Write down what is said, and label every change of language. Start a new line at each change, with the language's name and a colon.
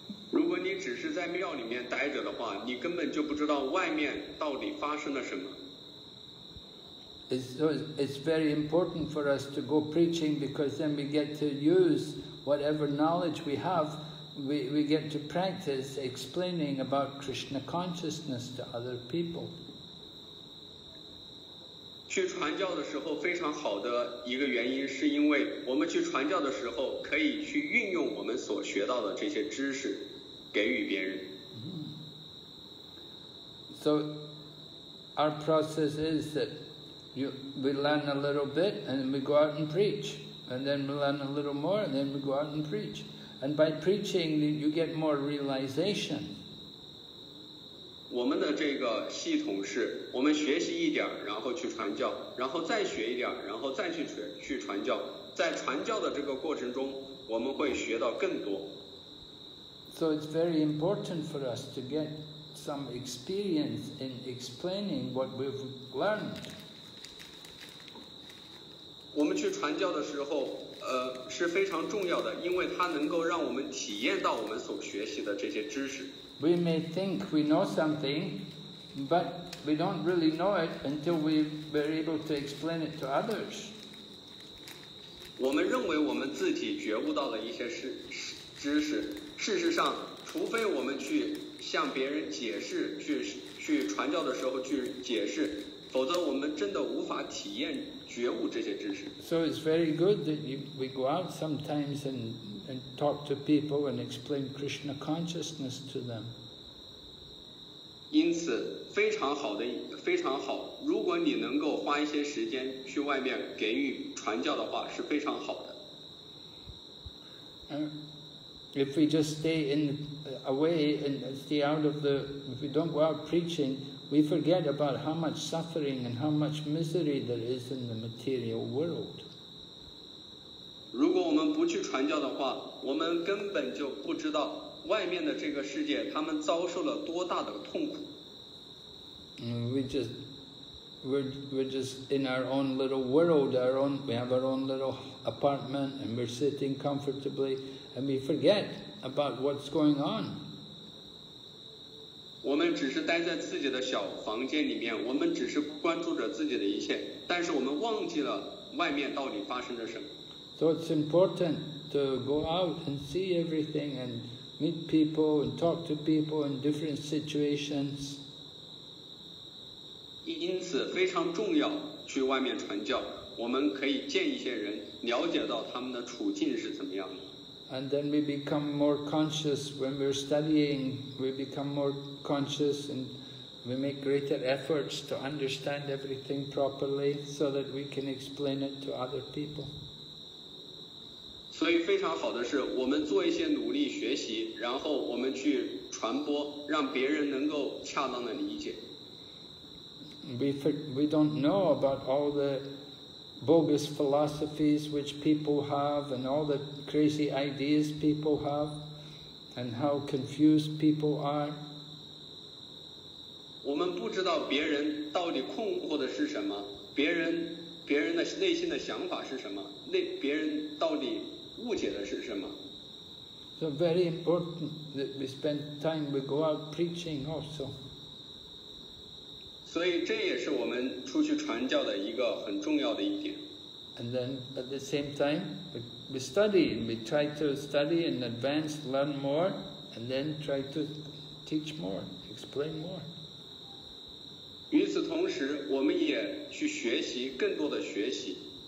Chinese: 如果你只是在庙里面待着的话，你根本就不知道外面到底发生了什么。
English: It's very important for us to go preaching, because then we get to use whatever knowledge we have, we get to practice explaining about Krishna consciousness to other people.
Chinese: 去传教的时候非常好的一个原因是因为我们去传教的时候可以去运用我们所学到的这些知识给予别人。
English: So our process is thatWe learn a little bit, and then we go out and preach. And then we learn a little more, and then we go out and preach. And by preaching, you get more realization.
Chinese: 我们的这个系统是，我们学习一点，然后去传教，然后再学一点，然后再去传教。在传教的这个过程中，我们会学到更多。
English: So it's very important for us to get some experience in explaining what we've learned.
Chinese: 我们去传教的时候是非常重要的，因为它能够让我们体验到我们所学习的这些知识。
English: We may think we know something, but we don't really know it until we were able to explain it to others.
Chinese: 我们认为我们自己觉悟到了一些知识，事实上除非我们去向别人解释，去传教的时候去解释，否则我们真的无法体验觉悟这些知识。
English: So it's very good that we go out sometimes and talk to people and explain Krishna consciousness to them.
Chinese: 因此非常好的非常好，如果你能够花一些时间去外面给予传教的话是非常好的。
English: If we just stay in away and stay out of the, if we don't go out preaching,We forget about how much suffering and how much misery there is in the material world.
Chinese: 如果我们不去传教的话，我们根本就不知道外面的这个世界他们遭受了多大的痛苦。
English: We're just in our own little world, we have our own little apartment, and we're sitting comfortably, and we forget about what's going on.
Chinese: 我们只是待在自己的小房间里面，我们只是关注着自己的一切，但是我们忘记了外面到底发生着什么。
English: So it's important to go out and see everything and meet people and talk to people in different situations.
Chinese: 因此非常重要去外面传教，我们可以见一些人，了解到他们的处境是怎么样的。
English: And then we become more conscious when we're studying, we become more conscious and we make greater efforts to understand everything properly so that we can explain it to other people.
Chinese: 所以非常好的是我们做一些努力学习，然后我们去传播，让别人能够恰当的理解。
English: We don't know about all the bogus philosophies which people have and all the crazy ideas people have and how confused people are.
Chinese: 我们不知道别人到底困惑的是什么，别人的内心的想法是什么，那别人到底误解的是什么。
English: So very important that we spend time, we go out preaching also.
Chinese: 所以这也是我们出去传教的一个很重要的一点。
English: And then at the same time, we study, we try to study in advance, learn more, and then try to teach more, explain more.
Chinese: 与此同时，我们也去学习更多的学习。